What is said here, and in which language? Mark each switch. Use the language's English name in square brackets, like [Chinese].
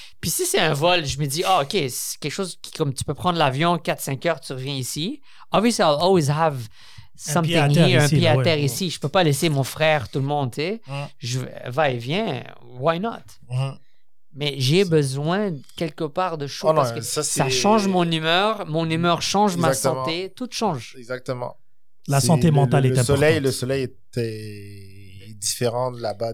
[French] Puis si c'est un vol, je me dis, oh, ok, c'est quelque chose qui, comme tu peux prendre l'avion 4-5 heures, tu reviens ici. [English] Obviously, I'll always have something here, [French] un pied à terre ici. Je peux pas laisser mon frère, tout le monde, tu sais. Mm-hmm. Je va et viens, [English] why not? [French] Mm-hmm. Mais j'ai besoin quelque part de chaud parce que ça change mon humeur change. Exactement. Ma santé, tout change. Exactement. La santé mentale est importante. Le soleil est différent de là-bas.